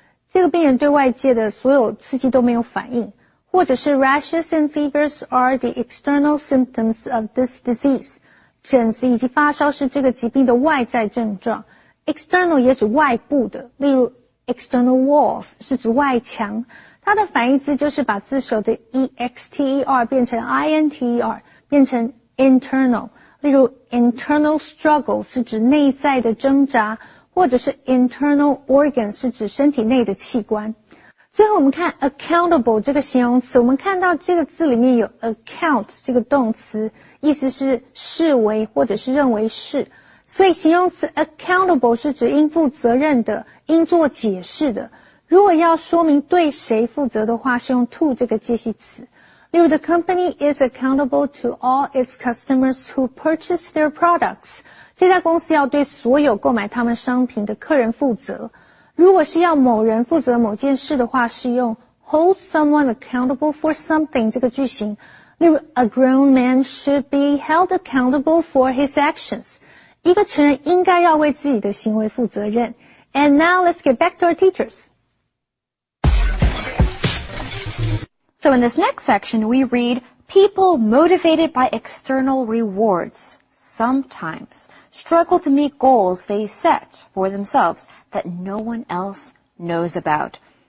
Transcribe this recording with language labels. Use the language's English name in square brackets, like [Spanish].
[Chinese] 这个病人对外界的所有刺激都没有反应。或者是 [English] ,rashes and fevers are the external symptoms of this disease. [Chinese] 疹子以及发烧是这个疾病的外在症状。 external 也指外部的。例如 ,external walls 是指外墙。它的反义词就是把字首的 exter 变成 inter, 变成 internal。例如 internal struggle 是指内在的挣扎或者是 internal organ 是指身体内的器官。最后我们看 accountable 这个形容词我们看到这个字里面有 account 这个动词意思是视为或者是认为是。所以形容词 accountable 是指应负责任的应做解释的。如果要说明对谁负责的话是用 to 这个介系词。 [English] You know, the company is accountable to all its customers who purchase their products. [Chinese] 这家公司要对所有购买他们商品的客人负责。如果是要某人负责某件事的话，是用 hold someone accountable for something 这个句型。例如 [English] a grown man should be held accountable for his actions. [Chinese] 一个成人应该要为自己的行为负责任。 [English] And now let's get back to our teachers. So in this next section, we read people motivated by external rewards sometimes struggle to meet goals they set for themselves that no one else knows about.